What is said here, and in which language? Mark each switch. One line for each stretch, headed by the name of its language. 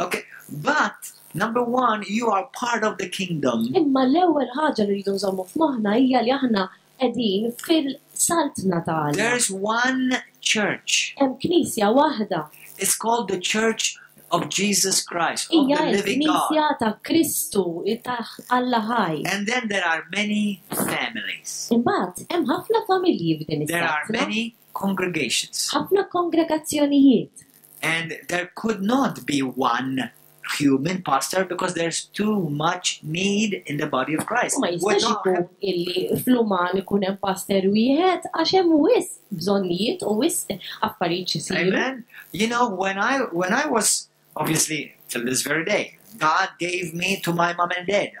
English: Okay, but number one, you are part of the kingdom.
Maltese: Imma l-ewwel ħaġa li rridu nżommu f'moħħna hija li aħna qegħdin fil-saltna tagħna.
English: There's one church.
Maltese: Hemm knisja waħda.
English: It's called the Church of Jesus Christ, of the living God.
Maltese: Knisja ta' Kristu, ta' Alla ħaj.
English: And then there are many families.
Maltese: Imbagħad hemm ħafna familji f'din is-saltna.
English: There are many congregations.
Maltese: Ħafna kongregazzjonijiet.
English: And there could not be one human pastor because there's too much need in the body of Christ.
Maltese: Ma jistax ikun illi fl-uman ikun hemm pastor wieħed għax hemm wisq bżonnijiet u wisq affarijiet isiru. Amen.
English: You know, when I was obviously till this very day, God gave me to my mom and dad.